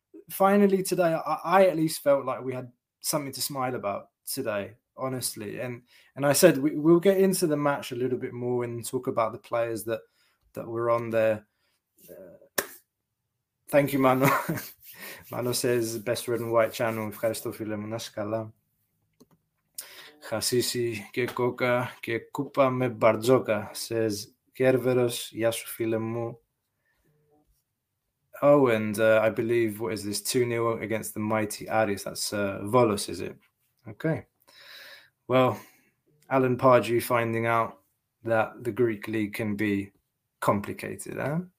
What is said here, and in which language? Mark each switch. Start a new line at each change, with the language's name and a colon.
English: Finally, today, I at least felt like we had something to smile about today, honestly. And I said, we'll get into the match a little bit more and talk about the players that were on there. Thank you, Mano. Mano says, best red and white channel.
Greek: Ευχαριστώ, φίλε μου. Να είσαι καλά. Χασίση και κόκα και κούπα με μπαρτζόκα, says Κέρβερος. Γεια σου, φίλε μου.
English: Oh, and I believe, what is this, 2-0 against the mighty Aris? That's Volos, is it? Okay. Well, Alan Pardew finding out that the Greek league can be complicated, eh?